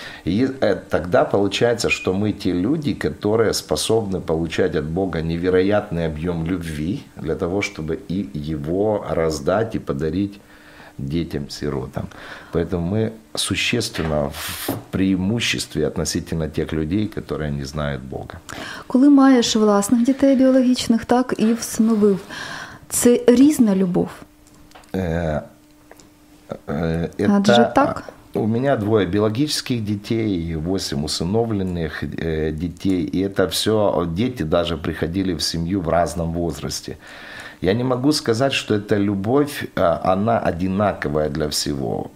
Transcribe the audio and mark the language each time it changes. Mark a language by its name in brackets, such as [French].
[Russian] И тогда получается, что мы те люди, которые способны получать от Бога невероятный объем любви для того, чтобы и его раздать и подарить детям-сиротам. Поэтому мы существенно в преимуществе относительно тех людей, которые не знают Бога. [Ukrainian] Коли маєш власних дітей біологічних, так і всиновив, це різна любов? Адже так? [Russian] У меня двое биологических детей, 8 усыновленных детей, и это все дети даже приходили в семью в разном возрасте. Я не могу сказать, что эта любовь, она одинаковая для всего.